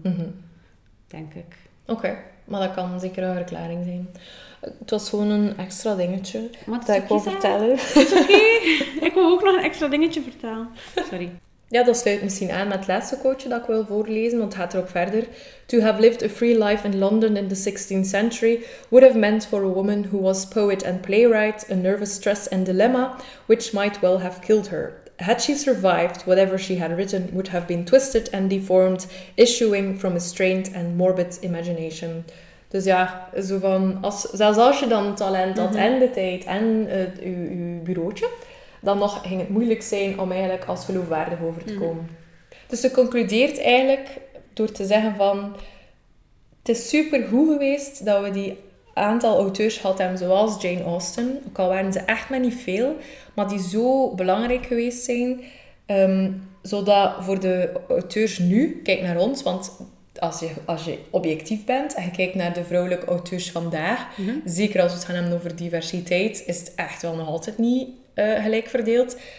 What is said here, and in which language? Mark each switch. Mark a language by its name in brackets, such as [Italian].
[Dutch] Mm-hmm. Denk ik. Oké. Okay. Maar dat kan zeker een verklaring zijn. Het was gewoon een extra dingetje maar dat ik wou vertellen. Het is oké. Ik wil ook nog een extra dingetje vertellen. Sorry. Ja, dat sluit misschien aan met het laatste quoteje dat ik wil voorlezen, want het gaat erop verder. [English] To have lived a free life in London in the 16th century would have meant for a woman who was poet and playwright a nervous stress and dilemma which might well have killed her. Had she survived, whatever she had written would have been twisted and deformed, issuing from a strained and morbid imagination. [Dutch] Dus ja, zo van, zelfs als je dan talent had en de tijd en je bureautje, dan nog ging het moeilijk zijn om eigenlijk als geloofwaardig over te komen. Dus ze concludeert eigenlijk door te zeggen van, het is super goed geweest dat we die aantal auteurs had hem, zoals Jane Austen, ook al waren ze echt maar niet veel, maar die zo belangrijk geweest zijn, zodat voor de auteurs nu, kijk naar ons, want als je objectief bent en je kijkt naar de vrouwelijke auteurs vandaag, zeker als we het gaan hebben over diversiteit, is het echt wel nog altijd niet gelijk verdeeld.